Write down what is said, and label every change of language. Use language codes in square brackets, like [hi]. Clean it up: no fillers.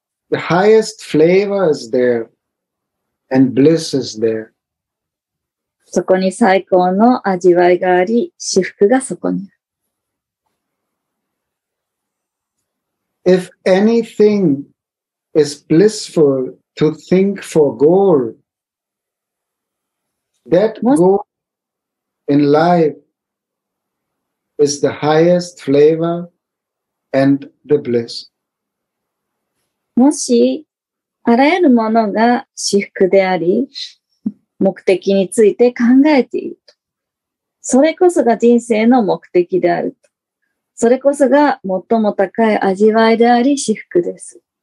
[en] The highest flavor is there, and bliss is there. [ja] そこに最高の味わいがあり、至福がそこにある。 [en] If anything is blissful to think for goal, that goal in life is the highest flavor and the bliss. [ja] もしあらゆるものが至福であり、目的について考えていると。それこそが人生の目的であると。それこそが最も高い味わいであり、至福です。